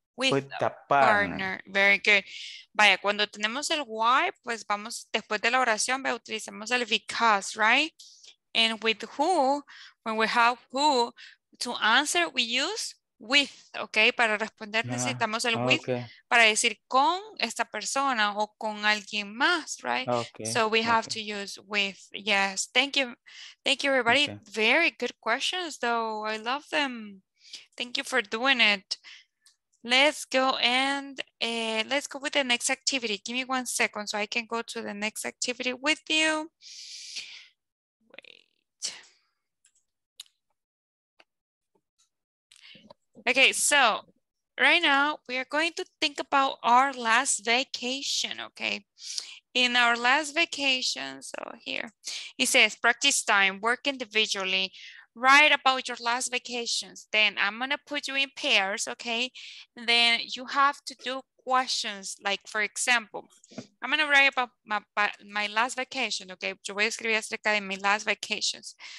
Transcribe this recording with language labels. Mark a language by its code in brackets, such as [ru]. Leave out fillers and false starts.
[en] With a partner. Very good. [es] Vaya, cuando tenemos el why, pues vamos, después de la oración, utilizamos el because, right? [en] And with who, when we have who, to answer, we use with, okay? [es] Para responder necesitamos el with, okay. Para decir con esta persona o con alguien más, right? [en] Okay. So we have okay. to use with, yes. Thank you. Thank you, everybody. Okay. Very good questions, though. I love them. Thank you for doing it. Let's go and let's go with the next activity. Give me 1 second so I can go to the next activity with you. Wait. Okay, so right now we are going to think about our last vacation, okay? In our last vacation, so here, it says practice time, work individually. Write about your last vacations. Then I'm gonna put you in pairs, okay? Then you have to do questions. Like for example, I'm gonna write about my last vacation, okay? [es] Yo voy a escribir acerca de mi [en] last vacations.